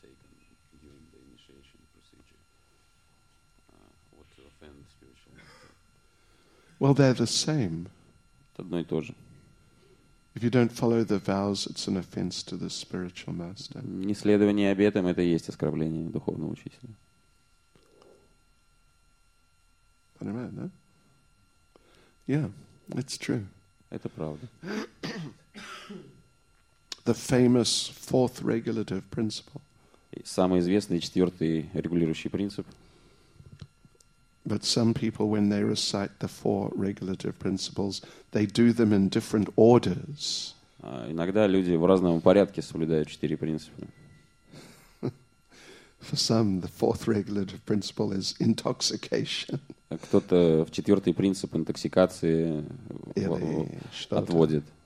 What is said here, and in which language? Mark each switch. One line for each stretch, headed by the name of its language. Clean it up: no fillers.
English: taken during the initiation procedure? What to offend spiritual matter? Well, they're the same.
Russian: Это одно и то же.
English: If you don't follow the vows, it's an offense to the spiritual master.
Russian: Неследование обетам — это и есть оскорбление духовного учителя. Понимаете, да?
English: Yeah, it's true.
Russian: Это правда.
English: The famous fourth regulative principle.
Russian: Самый известный четвертый регулирующий принцип.
English: But some people, when they recite the four regulative principles, they do them in different orders.
Russian: Иногда люди в разном порядке соблюдают четыре принципа.
English: For some, the fourth regulative principle is intoxication.
Russian: Кто-то в четвертый принцип интоксикации отводит.